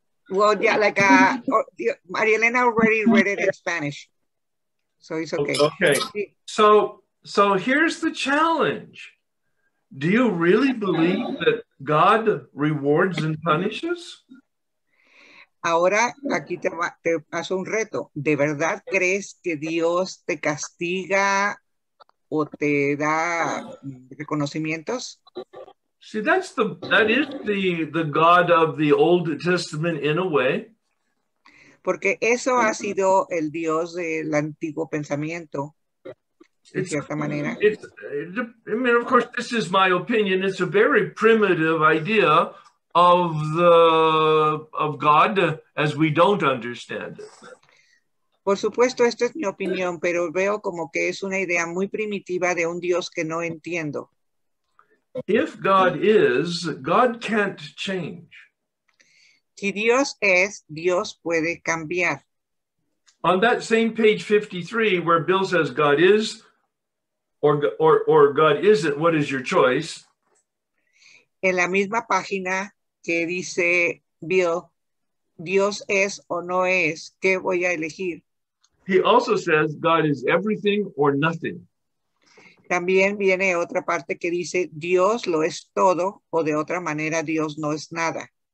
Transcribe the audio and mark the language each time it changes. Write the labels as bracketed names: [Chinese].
[English] Well, yeah, like Maria Elena already read it in Spanish, so it's okay. Okay, so here's the challenge. Do you really believe that God rewards and punishes? [Spanish] Ahora, aquí te paso un reto. ¿De verdad crees que Dios te castiga o te da reconocimientos? [English] See, that is the God of the Old Testament in a way. [Spanish] Porque eso ha sido el Dios del Antiguo Pensamiento. [English] Of course, this is my opinion. It's a very primitive idea of God as we don't understand it. [Spanish] Por supuesto, esto es mi opinión, pero veo como que es una idea muy primitiva de un Dios que no entiendo. [English] If God is, God can't change. [Spanish] Si Dios es, Dios puede cambiar. [English] On that same page 53, where Bill says God is, Or God isn't, what is your choice? [Spanish] En la misma página que dice Bill, Dios es o no es, ¿qué voy a elegir? [English] He also says God is everything or nothing. [Spanish] También viene otra parte que dice Dios lo es todo o de otra manera Dios no es nada.